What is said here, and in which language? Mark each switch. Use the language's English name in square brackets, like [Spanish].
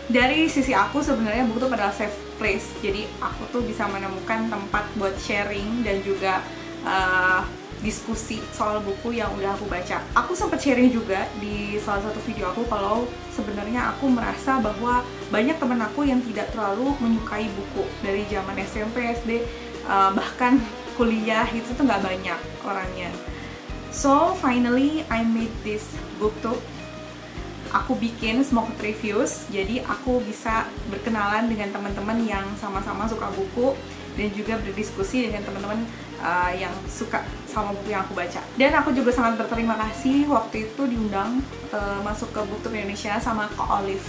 [Indonesian] Dari sisi aku sebenarnya BookTube adalah safe place. Jadi aku tuh bisa menemukan tempat buat sharing dan juga diskusi soal buku yang udah aku baca. Aku sempat sharing juga di salah satu video aku kalau sebenarnya aku merasa bahwa banyak teman aku yang tidak terlalu menyukai buku dari zaman SMP, SD, bahkan kuliah, itu tuh nggak banyak orangnya. [English] So finally I made this BookTube. [Indonesian] Aku bikin Smoke Reviews, jadi aku bisa berkenalan dengan teman-teman yang sama-sama suka buku dan juga berdiskusi dengan teman-teman yang suka sama buku yang aku baca. Dan aku juga sangat berterima kasih waktu itu diundang masuk ke BookTube Indonesia sama Ko Olive.